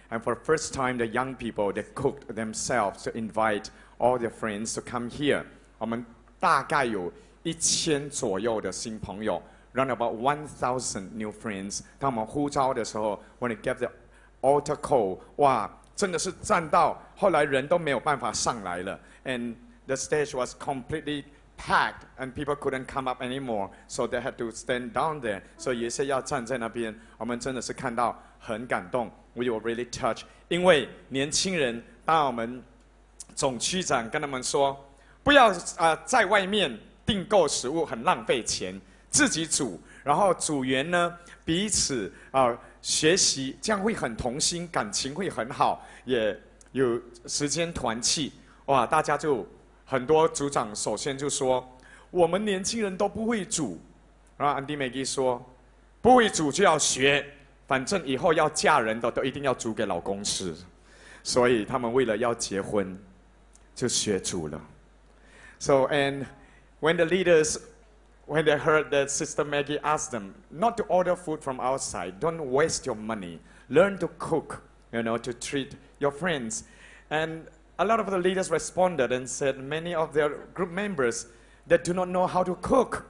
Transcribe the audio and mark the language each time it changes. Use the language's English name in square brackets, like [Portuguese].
[English] And for the first time, the young people, they cooked themselves to invite all their friends to come here. [Chinese] 我们大概有1000左右的新朋友。 [English] Round about 1,000 new friends. [Chinese] 当我们呼召的时候 ， [English] when we gave the altar call, [Chinese] 哇，真的是站到后来人都没有办法上来了。 [English] And the stage was completely packed, and people couldn't come up anymore, so they had to stand down there. [Chinese] 所以有些要站在那边。我们真的是看到很感动 ， [English] we were really touched. [Chinese] 因为年轻人，当我们总区长跟他们说，不要在外面订购食物，很浪费钱。自己煮，然后组员呢彼此学习，这样会很同心，感情会很好，也有时间团契。哇，大家就很多组长首先就说，我们年轻人都不会煮。然后安迪美基说，不为主就要学，反正以后要嫁人的都一定要煮给老公吃，所以他们为了要结婚就学煮了。 [English] So and when the leaders, when they heard that Sister Maggie asked them not to order food from outside, don't waste your money, learn to cook, you know, to treat your friends. And a lot of the leaders responded and said many of their group members that do not know how to cook.